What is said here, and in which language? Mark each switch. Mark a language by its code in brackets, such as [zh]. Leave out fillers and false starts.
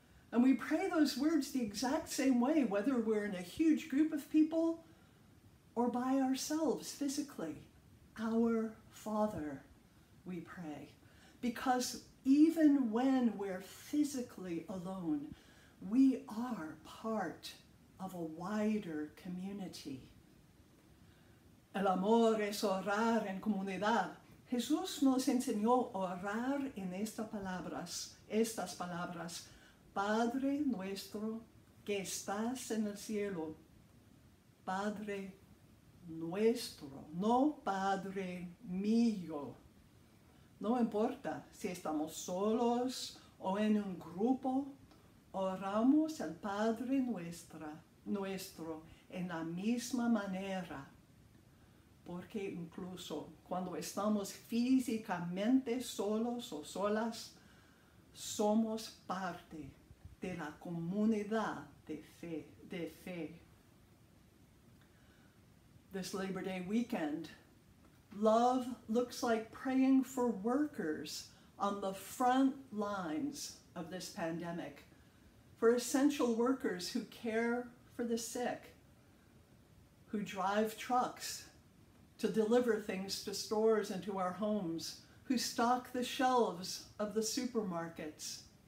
[en] And we pray those words the exact same way, whether we're in a huge group of people or by ourselves physically. Our Father, we pray. Because even when we're physically alone, we are part of a wider community. [es] El amor es orar en comunidad. Jesús nos enseñó orar en estas palabras, Padre nuestro que estás en el cielo, Padre nuestro, no Padre mío. No importa si estamos solos o en un grupo, oramos al Padre nuestro en la misma manera. Porque incluso cuando estamos físicamente solos o solas, somos parte de la comunidad de fe. [en] This Labor Day weekend, love looks like praying for workers on the front lines of this pandemic, for essential workers who care for the sick, who drive trucks to deliver things to stores and to our homes, who stock the shelves of the supermarkets.